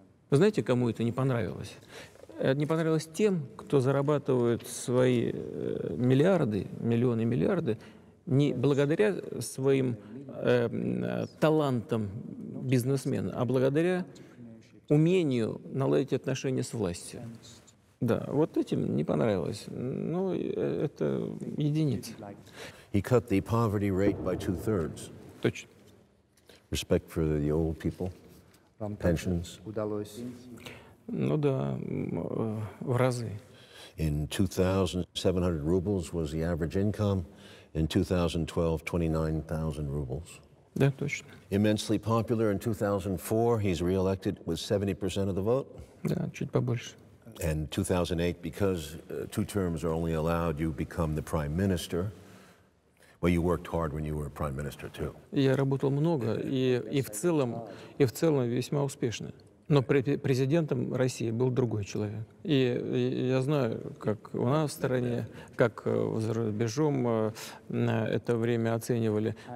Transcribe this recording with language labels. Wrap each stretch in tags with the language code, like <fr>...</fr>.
<ru>Знаете, кому это не понравилось? Это не понравилось тем, кто зарабатывает свои миллиарды, миллионы, миллиарды, не благодаря своим талантам бизнесмена, а благодаря умению наладить отношения с властью. Да, вот этим не понравилось. Ну, это единица.</ru> <en>He cut the poverty rate by two-thirds.</en> <ru>Точно.</ru> <en>Respect for the old people, pensions.</en> <ru>Удалось. Ну да, в разы.</ru> <en>In 2,700 rubles was the average income. In 2012, 29,000 rubles.</en> <ru>Да, точно.</ru> <en>Immensely popular in 2004, he's re-elected with 70% of the vote.</en> <ru>Да, чуть побольше.</ru> <en>And 2008, because two terms are only allowed, you become the prime minister. Well, you worked hard when you were prime minister too.</en> <ru>Я работал много и в целом весьма успешно. Но президентом России был другой человек. И я знаю, как у нас в стране, как за рубежом на это время оценивали.</ru>